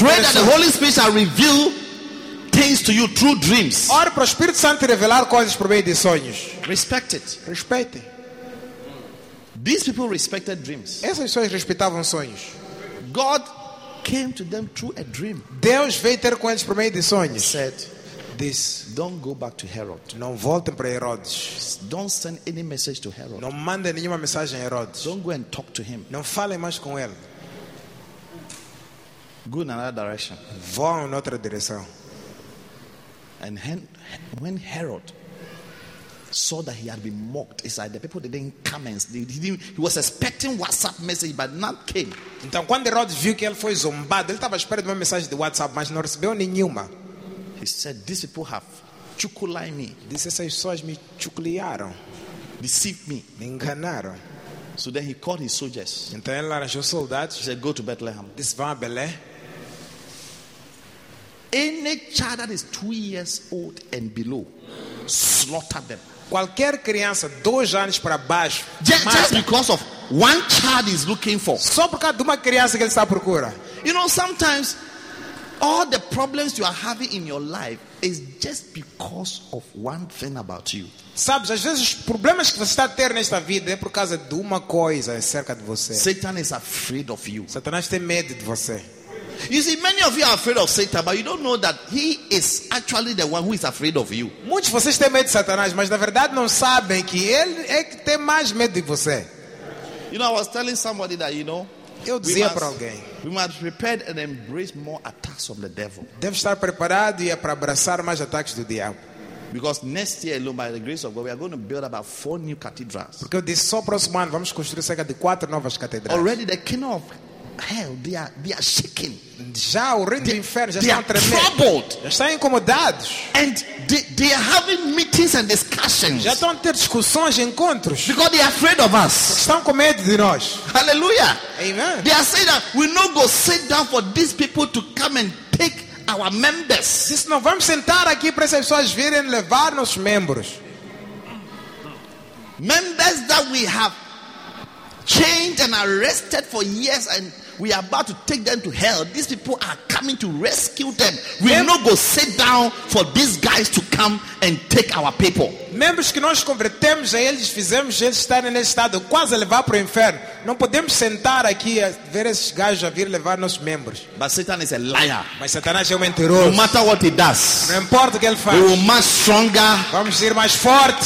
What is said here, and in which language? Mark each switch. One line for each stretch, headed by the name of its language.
English: pray that the Holy Spirit shall reveal things to you through dreams.
Portuguese: Ore para o Espírito Santo revelar coisas por meio de sonhos.
English: Respect it.
Portuguese: Respeite.
English: These people respected dreams.
Portuguese: Essas pessoas respeitavam sonhos.
English: God came to them through a dream.
Portuguese: Deus veio ter com eles por meio de sonhos.
English: Said, this. Don't go back to Herod.
Portuguese: Não voltem para Herodes.
English: Don't send any message to Herod.
Portuguese: Não mandem nenhuma mensagem a Herodes.
English: Don't go and talk to him.
Portuguese: Não falem mais com ele.
English: Go in another direction.
Portuguese: Vão em outra direção.
English: And when Herod saw that he had been mocked, it's like the people didn't come and he was expecting WhatsApp message, but not came.
Portuguese: Então, quando Herod viu que ele foi zombado, ele estava esperando uma mensagem de WhatsApp, mas não recebeu nenhuma.
English: He said, "These people have chukulai me."
Portuguese: Disse, essas pessoas me chuculiaram.
English: Deceived me.
Portuguese: Me enganaram.
English: So then he called his soldiers.
Portuguese: Então ele arranjou soldados.
English: He said, "Go to Bethlehem."
Portuguese: Disse, vão a Belém.
English: Any child that is 2 years old and below, slaughter them.
Portuguese: Qualquer criança 2 anos para baixo,
English: just because of one child is looking for.
Portuguese: Só por causa de uma criança que ele está à procura.
English: You know, sometimes all the problems you are having in your life is just because of one thing about you.
Portuguese: Sabes, às vezes os problemas que você está a ter nesta vida é por causa de uma coisa acerca de você.
English: Satan is afraid of you.
Portuguese: Satanás tem medo de você.
English: You see, many of you are afraid of Satan, but you don't know that he is actually the one who is afraid of you.
Portuguese: Muitos de vocês têm medo de Satanás, mas na verdade não sabem que ele é que tem mais medo de você.
English: You know, I was telling somebody that, you know,
Portuguese: eu dizia para alguém,
English: we must prepare and embrace more attacks from the devil.
Portuguese: Deve estar preparado e é para abraçar mais ataques do diabo.
English: Because next year alone, by the grace of God, we are going to build about 4 new cathedrals.
Portuguese: Porque disse, só próximo ano vamos construir cerca de 4 novas catedrais.
English: Already the kingdom of hell, they are shaking.
Portuguese: Já o reino do inferno já está tremendo. Já estão incomodados.
English: And they are having meetings and discussions.
Portuguese: Já estão a ter discussões e encontros.
English: Because they are afraid of us.
Portuguese: Estão com medo de nós.
English: Hallelujah. Amen. They are saying that we not go sit down for these people to come and take our members.
Portuguese: Diz, não vamos sentar aqui para essas pessoas virem levar nossos membros.
English: Members that we have chained and arrested for years, and we are about to take them to hell. These people are coming to rescue them. We will not go sit down for these guys to come and take our people.
Portuguese: Membros que nós convertemos a eles, fizemos eles estarem nesse estado, quase a levar para o inferno. Não podemos sentar aqui a ver esses gajos a vir levar nossos membros.
English: But Satan is a liar.
Portuguese: Mas Satanás é um mentiroso.
English: No matter what he does,
Portuguese: não importa o que ele faz,
English: we will march stronger.
Portuguese: Vamos ser mais fortes.